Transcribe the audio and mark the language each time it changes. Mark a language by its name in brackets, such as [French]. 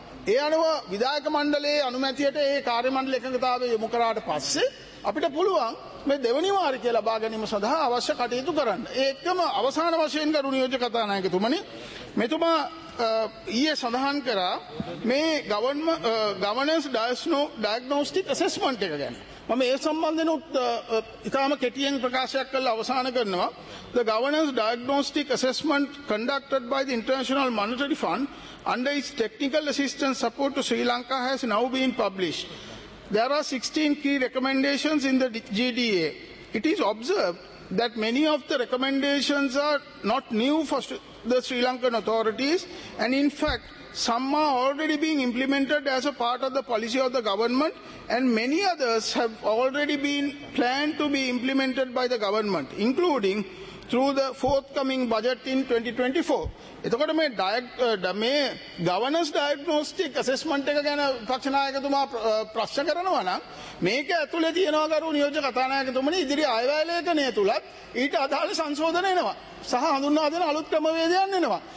[Sinhala] ඒ අනුව විධායක මණ්ඩලයේ අනුමැතියට ඒ කාර්ය මණ්ඩල එකඟතාවය යොමු කරාට පස්සේ අපිට පුළුවන් මේ දෙවැනි වාරිකය ලබා ගැනීම සඳහා අවශ්‍ය කටයුතු කරන්න. ඒකම අවසාන වශයෙන් ගරු නියෝජ්‍ය කතානායකතුමනි, මෙතුමා ඊයේ සඳහන් කරා මේ ගවර්නන්ස් ඩයග්නොස්ටික් ඇසෙස්මන්ට් එක ගැන. මම ඒ සම්බන්ධයෙන් ඉතාම කෙටියෙන් ප්‍රකාශයක් කරලා අවසාන කරනවා. [English] The governance diagnostic assessment conducted by the international monetary fund under its technical assistance support to Sri Lanka has now been published. There are 16 key recommendations in the GDA. It is observed that many of the recommendations are not new for the Sri Lankan authorities, and in fact, some are already being implemented as a part of the policy of the government, and many others have already been planned to be implemented by the government, including through the forthcoming budget in 2024. [Sinhala] එතකොට මේ මේ ගවර්නන්ස් diagnostic assessment එක ගැන විපක්ෂ නායකතුමා ප්‍රශ්න කරනවා නම් මේක ඇතුලේ තියෙනවා ගරු නියෝජ්‍ය කතානායකතුමනි, ඉදිරි අයවැය ලේඛනය තුලත් ඊට අදාළ සංශෝධන එනවා සහ හඳුන්වා දෙන අලුත් ක්‍රමවේදයන් එනවා.